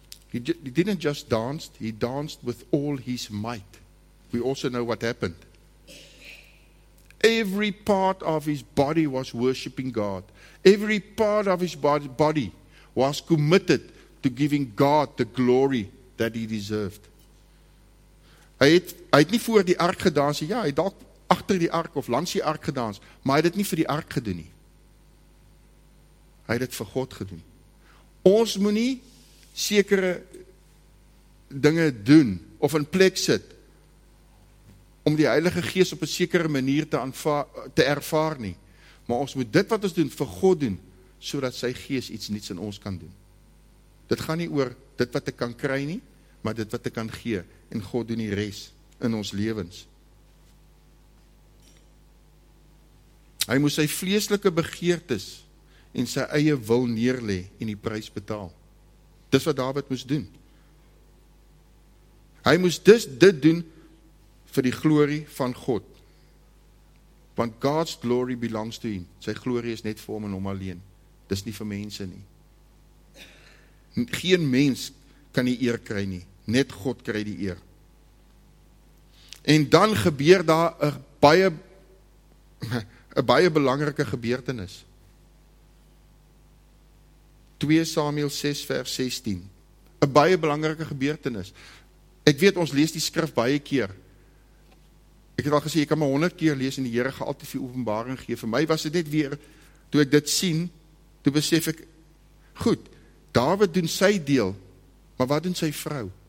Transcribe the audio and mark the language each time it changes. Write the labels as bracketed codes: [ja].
[en] He didn't just dance, he danced with all his might. We also know what happened. Every part of his body was worshiping God. Every part of his body was committed to giving God the glory that he deserved. [af] Hy het nie voor die ark gedans, ja, hy het dalk agter die ark of langs die ark gedans, maar hy het dit nie vir die ark gedoen nie. Hy het dit vir God gedoen. Ons moenie sekere dinge doen of in plek sit om die Heilige Gees op 'n sekere manier te ervaar nie, maar ons moet dit wat ons doen vir God doen sodat sy Gees iets nuuts in ons kan doen. Dit gaan nie oor dit wat ek kan kry nie, maar dit wat ek kan gee en God doen die res in ons lewens. Hy moes sy vleeslike begeertes en sy eie wil neerlê en die prys betaal. Dis wat David moes doen. Hy moes dus dit doen vir die glorie van God. Want [en] God's glory belongs to him. [af] Sy glorie is net vir hom en hom alleen. Dis nie vir mense nie. Geen mens kan die eer kry nie. Net God kry die eer. En dan gebeur daar een baie belangrike gebeurtenis. 2 Samuel 6 vers 16. 'n baie belangrike gebeurtenis. Ek weet, ons lees die skrif baie keer. Ek het al gesê, ek kan my 100 keer lees en die Here gaan altyd vir openbaring gee. Vir my was dit net weer, toe ek dit sien, toe besef ek, goed, Dawid doen sy deel, maar wat doen sy vrou?